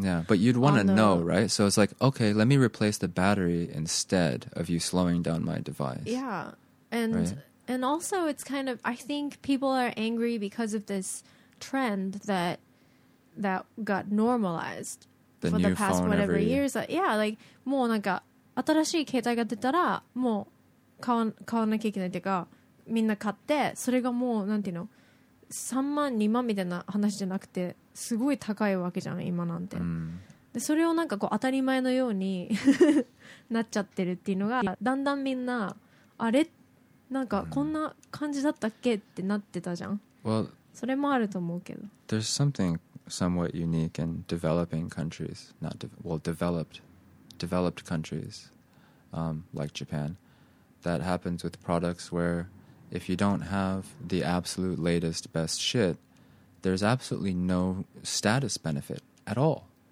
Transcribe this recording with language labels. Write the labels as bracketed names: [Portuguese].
[English] Yeah, but you'd want to know, right? So it's like, okay, let me replace the battery instead of you slowing down my device. Yeah. And. Right? And also, it's kind of, I think people are angry because of this trend that got normalized the for the past whatever years. [Japanese] Yeah, like, もうなんか、新しい携帯が出たら、もう買わなきゃいけないっていうか、みんな買って、それがもう、なんていうの、3万、2万みたいな話じゃなくて、すごい高いわけじゃん、今なんて。 Mm. で、それをなんかこう、当たり前のようになっちゃってるっていうのが、だんだんみんな、あれなんかこんな感じだったっけってなってたじゃん。 [English] Well, [Japanese] それもあると思うけど。 [English] There's something somewhat unique in developing countries, developed countries, like Japan, that happens with products where if you don't have the absolute latest best shit, there's absolutely no status benefit at all.